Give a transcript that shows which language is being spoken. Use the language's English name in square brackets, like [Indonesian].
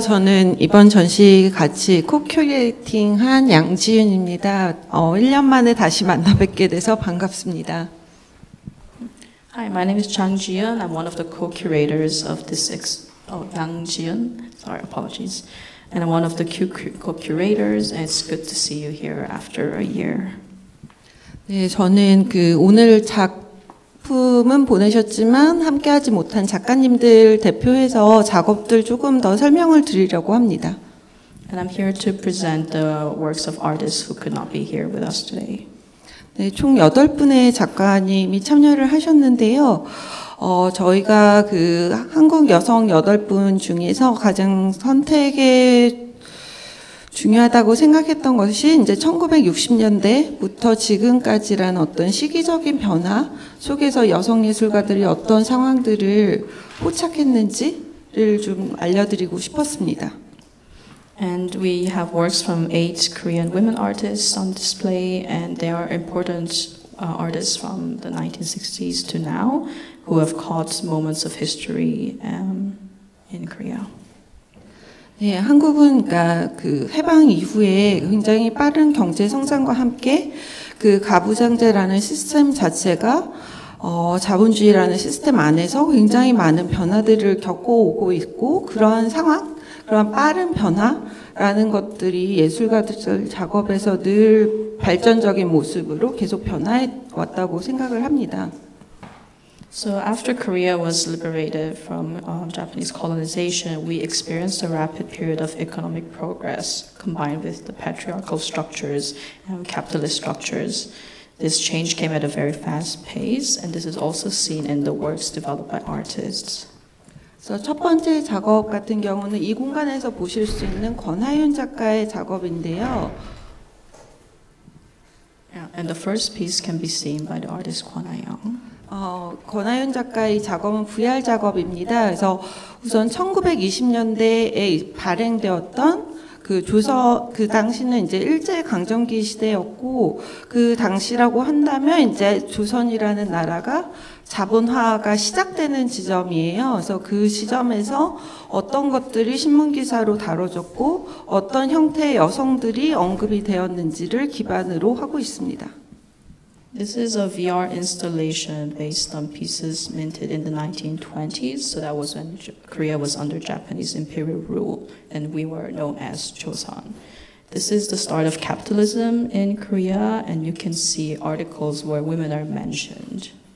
[Korean] 저는 이번 전시 같이 코큐레이팅한 양지윤입니다. 1년 만에 다시 만나 뵙게 돼서 반갑습니다. [English] Hi, my name is Chang Ji-yun. I'm one of the co-curators of this Yang Ji-yun. Sorry, apologies. And I'm one of the co-curators and it's good to see you here after a year. [Korean] 네, 저는 그 오늘 작품은 보내셨지만 함께하지 못한 작가님들 대표해서 작업들 조금 더 설명을 드리려고 합니다. [English] And I'm here to present the works of artists who could not be here with us today. [Korean] 네, 총 8분의 작가님이 참여를 하셨는데요. 저희가 그 한국 여성 8분 중에서 가장 선택에 중요하다고 생각했던 것이 이제 1960년대부터 지금까지란 어떤 시기적인 변화 속에서 여성 예술가들이 어떤 상황들을 포착했는지를 좀 알려드리고 싶었습니다. [English] And we have works from 8 Korean women artists on display, and they are important artists from the 1960s to now who have caught moments of history in Korea. [Korean] 네, 한국은 그러니까 그 해방 이후에 굉장히 빠른 경제 성장과 함께 그 가부장제라는 시스템 자체가 자본주의라는 시스템 안에서 굉장히 많은 변화들을 겪어오고 있고 그러한 상황, 그러한 빠른 변화라는 것들이 예술가들 작업에서 늘 발전적인 모습으로 계속 변화해 왔다고 생각을 합니다. [English] So after Korea was liberated from Japanese colonization, we experienced a rapid period of economic progress combined with the patriarchal structures and capitalist structures. This change came at a very fast pace, and this is also seen in the works developed by artists. So [Korean] 첫 번째 작업 같은 경우는 이 공간에서 보실 수 있는 권하윤 작가의 작업인데요. [English] Yeah, and the first piece can be seen by the artist Kwon Ha-young. [Korean] 권하윤 작가의 작업은 VR 작업입니다. 그래서 우선 1920년대에 발행되었던 그 조서 그 당시는 이제 일제 강점기 시대였고 그 당시라고 한다면 이제 조선이라는 나라가 자본화가 시작되는 지점이에요. 그래서 그 시점에서 어떤 것들이 신문 기사로 다뤄졌고 어떤 형태의 여성들이 언급이 되었는지를 기반으로 하고 있습니다. [English] This is a VR installation based on pieces minted in the 1920s. So that was when Korea was under Japanese imperial rule and we were known as Joseon. This is the start of capitalism in Korea and you can see articles where women are mentioned.